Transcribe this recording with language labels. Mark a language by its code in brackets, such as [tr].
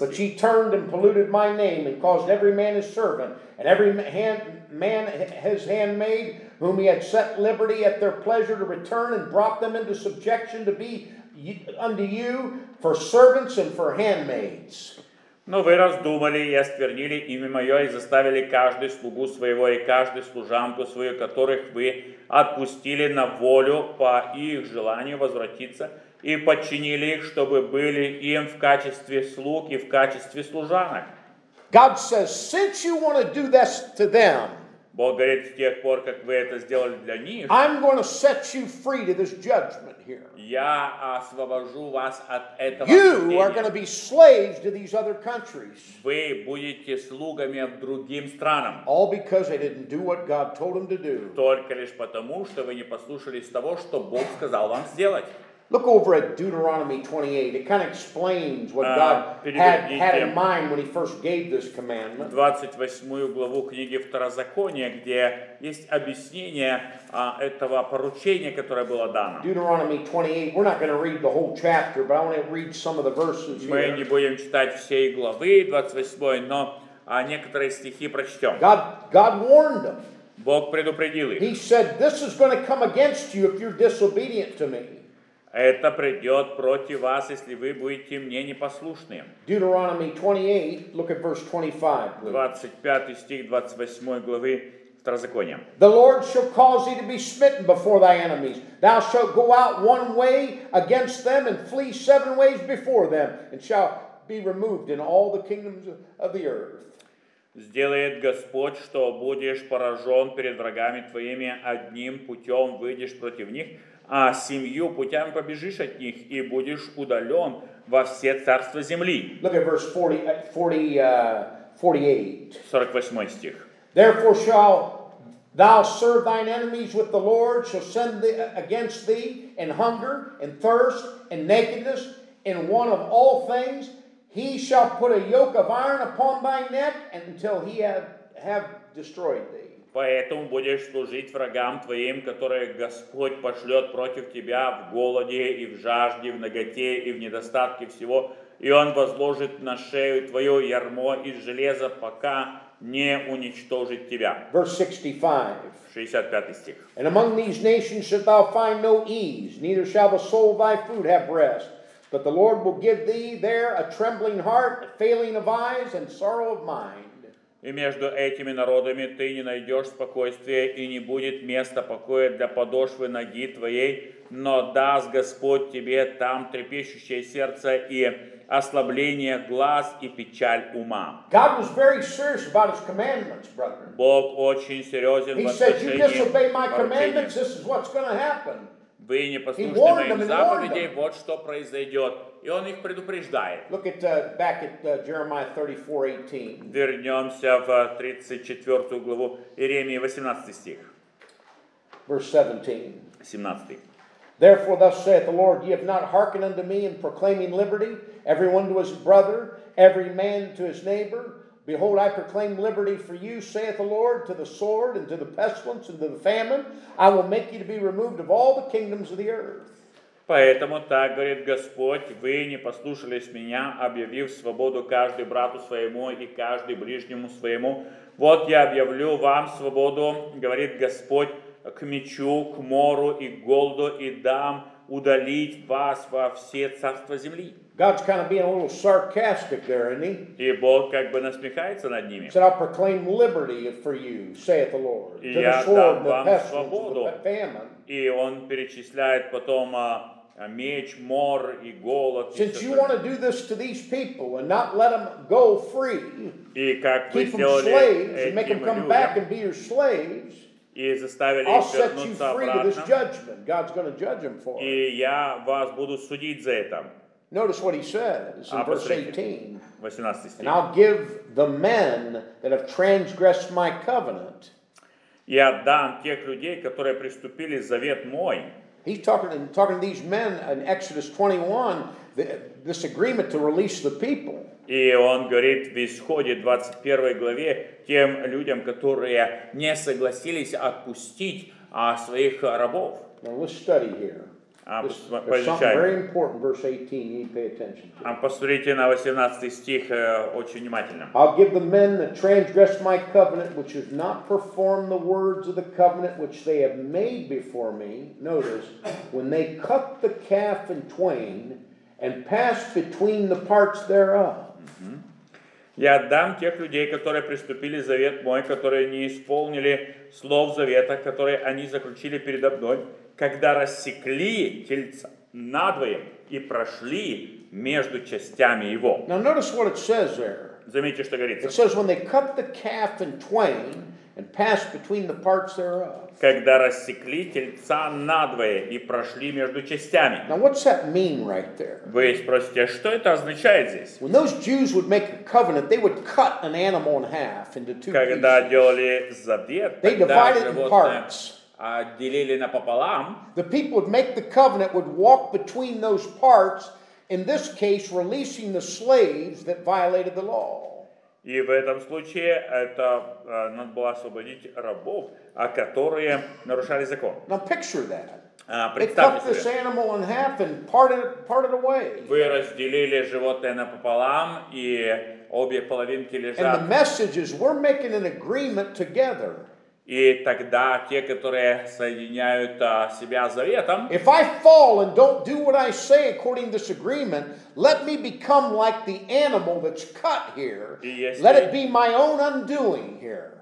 [en] But ye turned and polluted my name and caused every man his servant and every man his handmaid whom he had set liberty at their pleasure to return and brought them into subjection to be unto you for servants and for handmaids. [ru] Но вы раздумали и осквернили имя мое и заставили каждый слугу своего и каждую служанку свою, которых вы отпустили на волю по их желанию возвратиться, и подчинили их, чтобы были им в качестве слуг и в качестве служанок. [en] God says, since you want to do this to them, [ru] Бог говорит, с тех пор, как вы это сделали для них, [en] I'm going to set you free to this judgment here. [ru] Я освобожу вас от этого. [en] You are going to be slaves to these other countries. [ru] Вы будете слугами другим странам. [en] All because they didn't do what God told them to do. [ru] Только лишь потому, что вы не послушались того, что Бог сказал вам сделать. [en] Look over at Deuteronomy 28. It kind of explains what God had in mind when he first gave this commandment. [ru] 28 главу книги Второзакония, где есть объяснение этого поручения, которое было дано. [en] Deuteronomy 28. We're not going to read the whole chapter, but I want to read some of the verses here. [ru] Мы не будем читать всей главы 28, но некоторые стихи прочтем. [en] God warned them. [ru] Бог предупредил их. [en] He said, this is going to come against you if you're disobedient to me. [ru] Это придет против вас, если вы будете мне непослушны. [en] Deuteronomy 28, look at verse 25, please. [ru] 25 стих 28 главы Второзакония. [en] The Lord shall cause thee to be smitten before thy enemies. Thou shalt go out one way against them and flee 7 ways before them and shall be removed in all the kingdoms of the earth. [ru] Сделает Господь, что будешь поражен перед врагами твоими, одним путем выйдешь против них, а семью путями побежишь от них и будешь удален во все царства земли. [en] Look at verse 48. [ru] 48 стих. [en] Therefore shall thou serve thine enemies with the Lord, shall send against thee in hunger and thirst and nakedness in want of all things. He shall put a yoke of iron upon thy neck until he have destroyed thee. [ru] Поэтому будешь служить врагам твоим, которые Господь пошлет против тебя в голоде и в жажде, в наготе и в недостатке всего. И Он возложит на шею твое ярмо из железа, пока не уничтожит тебя. [en] Verse 65. [ru] 65 стих. [en] And among these nations shalt thou find no ease, neither shall the soul of thy food have rest. But the Lord will give thee there a trembling heart, a failing of eyes, and sorrow of mind. [ru] И между этими народами ты не найдешь спокойствия, и не будет места покоя для подошвы ноги твоей, но даст Господь тебе там трепещущее сердце и ослабление глаз и печаль ума. [en] God was very serious about his commandments, brother. [ru] Бог очень серьезен в отношении поручения. [en] He said, you disobey my commandments, this is what's going to happen. [ru] Вы не послушны моим заповедям, вот что произойдет. И он их предупреждает. [en] Look at, back at Jeremiah 34:18. [ru] Вернемся в 34 главу Иеремии, 18 стих. [en] Verse 17. [ru] 17. [en] Therefore thus saith the Lord, ye have not hearkened unto me in proclaiming liberty, every one to his brother, every man to his neighbor. Behold, I proclaim liberty for you, saith the Lord, to the sword, and to the pestilence, and to the famine. I will make you to be removed of all the kingdoms of the earth. [ru] Поэтому так говорит Господь, вы не послушались меня, объявив свободу каждый брату своему и каждый ближнему своему. Вот я объявлю вам свободу, говорит Господь, к мечу, к мору и к голоду, и дам удалить вас во все царства земли. [en] God's kind of being a little sarcastic there, isn't he? [ru] И Бог как бы насмехается над ними. [en] He said, I'll proclaim liberty for you, saith the Lord, to the sword, the pestilence, the famine. [ru] И он перечисляет потом меч, мор и голод. [en] Since you want to do this to these people and not let them go free, keep them slaves and make them come back and be your slaves, I'll set you free to this judgment. God's going to judge them for it. [ru] И я вас буду судить за это. [en] Notice what he says in verse 18. [ru] 18 стих. [en] And I'll give the men that have transgressed my covenant. [ru] И отдам тех людей, которые преступили завет мой. [en] He's talking to these men in Exodus 21, this agreement to release the people. [ru] И он говорит в Исходе 21 главе тем людям, которые не согласились отпустить своих рабов. [en] Now let's study here. Something very important, verse 18, you need to pay attention to. [ru] Посмотрите на 18 стих очень внимательно. [en] I'll give the men that transgressed my covenant, which have not performed the words of the covenant which they have made before me. Notice, when they cut the calf in twain and passed between the parts thereof. [ru] Я отдам тех людей, которые преступили завет мой, которые не исполнили слов завета, которые они заключили передо мной, когда рассекли тельца надвое и прошли между частями его. [en] Now notice what it says there. [ru] Заметьте, что говорится. [en] It says when they cut the calf in twain and passed between the parts thereof. [ru] Когда рассекли тельца надвое и прошли между частями. [en] Now what's that mean right there? [ru] Вы спросите, что это означает здесь? [en] When those Jews would make a covenant, they would cut an animal in half into two pieces. [ru] Когда делали завет, [en] they divided it in parts. [ru] Отделили напополам. [en] The people would make the covenant, would walk between those parts, in this case, releasing the slaves that violated the law. [ru] И в этом случае это надо было освободить рабов, которые нарушали закон. [en] Now picture that. [ru] Представьте себе. [en] They cut this animal in half and parted away. [ru] Вы разделили животное напополам, и обе половинки лежат. [en] And the message is, we're making an agreement together. [ru] И тогда те, которые соединяют себя заветом. [en] If I fall and don't do what I say according to this agreement, let me become like the animal that's cut here. Let it be my own undoing here.